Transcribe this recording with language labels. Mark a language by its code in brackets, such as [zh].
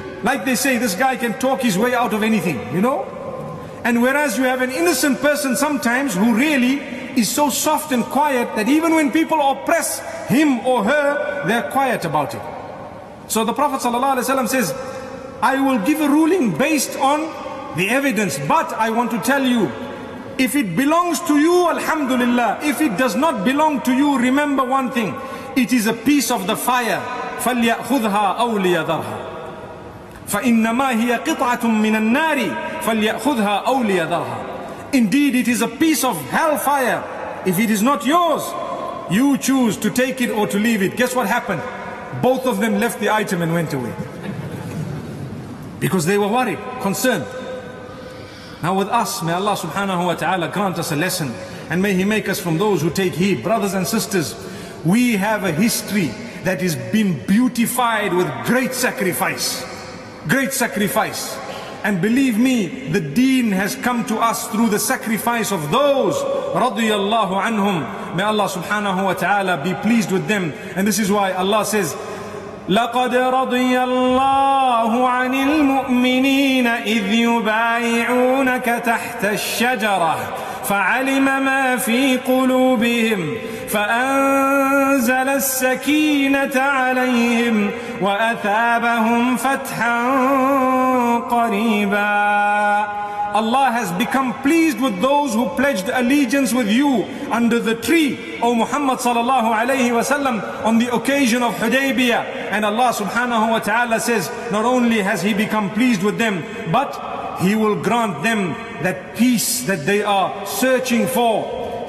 [en] Like they say, this guy can talk his way out of anything, you know? And whereas you have an innocent person sometimes who really is so soft and quiet that even when people oppress him or her, they're quiet about it. So the Prophet sallallahu alaihi wasallam says, I will give a ruling based on the evidence, but I want to tell you, if it belongs to you, alhamdulillah. If it does not belong to you, remember one thing, it is a piece of the fire. [ar] فَلْيَأْخُذْهَا أَوْ لِيَذَرْهَا فَإِنَّمَا هِيَ قِطْعَةٌ مِّنَ النَّارِ فَلْيَأْخُذْهَا أَوْ لِيَذَرْهَا. [en] Indeed, it is a piece of hellfire. If it is not yours, you choose to take it or to leave it. Guess what happened? Both of them left the item and went away. Because they were worried, concerned. Now with us, may Allah subhanahu wa ta'ala grant us a lesson. And may He make us from those who take heed. Brothers and sisters, we have a history that has been beautified with great sacrifice. Great sacrifice. And believe me, the deen has come to us through the sacrifice of those, radiyallahu anhum. May Allah subhanahu wa ta'ala be pleased with them. And this is why Allah says, [ar] لقد رضي الله عن المؤمنين إذ يبايعونك تحت الشجرة فعلم ما في قلوبهم فأنزل السكينة عليهم وأثابهم فتحا قريبا. [en] Allah has become pleased with those who pledged allegiance with you under the tree, O Muhammad sallallahu alayhi wa sallam, on the occasion of Hudaybiyah. And Allah subhanahu wa ta'ala says, not only has He become pleased with them, but He will grant them that peace that they are searching for.